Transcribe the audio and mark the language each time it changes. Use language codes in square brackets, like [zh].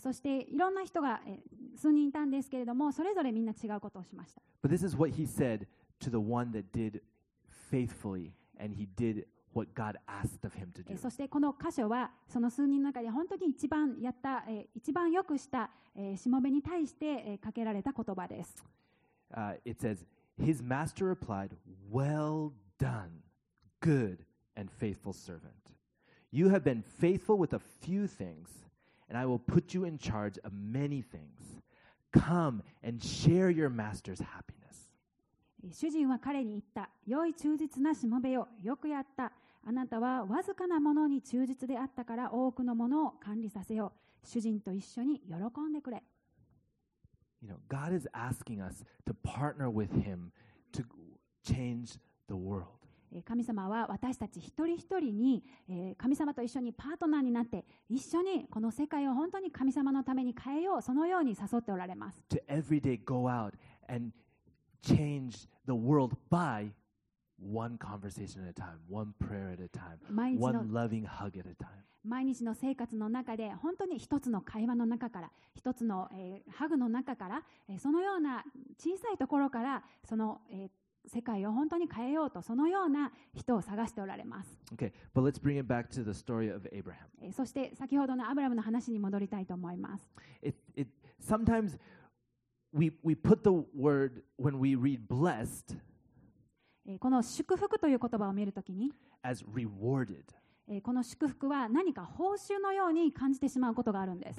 [ja] そしていろんな人が数人いたんですけれども、それぞれみんな違うことをしました。 [en] But this is what he said to the one that did faithfully and he did what God asked of him to do. [ja] そしてこの箇所はその数人の中で本当に一番やった、一番よくしたしもべに対してかけられた言葉です。 [en] It says, his master replied, well done, good and faithful servant. You have been faithful with a few things, and I will put you in charge of many things. Come and share your master's happiness. [ja] 主人は彼に言った。良い忠実なしもべよ、よくやった。あなたはわずかなものに忠実であったから多くのものを管理させよう。主人と一緒に喜んでくれ。 [en] You know, God is asking us to partner with Him to change the world. [ja] 神様は私たち一人一人に神様と一緒にパートナーになって、一緒にこの世界を本当に神様のために変えよう、そのように誘っておられます。 [en] To every day go out and change the world by one conversation at a time, one prayer at a time, one loving hug at a time. [ja] 毎日の生活の中で本当に一つの会話の中から、一つのハグの中から、そのような小さいところから、その世界を本当に変えようと、そのような人を探しておられます。 [en] Okay, but let's bring it back to the story of Abraham. [ja] そして先ほどのアブラムの話に戻りたいと思います。 [en] Sometimes we put the word when we read blessed. [ja] この祝福という言葉を見るときに、 [en] as rewarded. [ja] この祝福は何か報酬のように感じてしまうことがあるんです。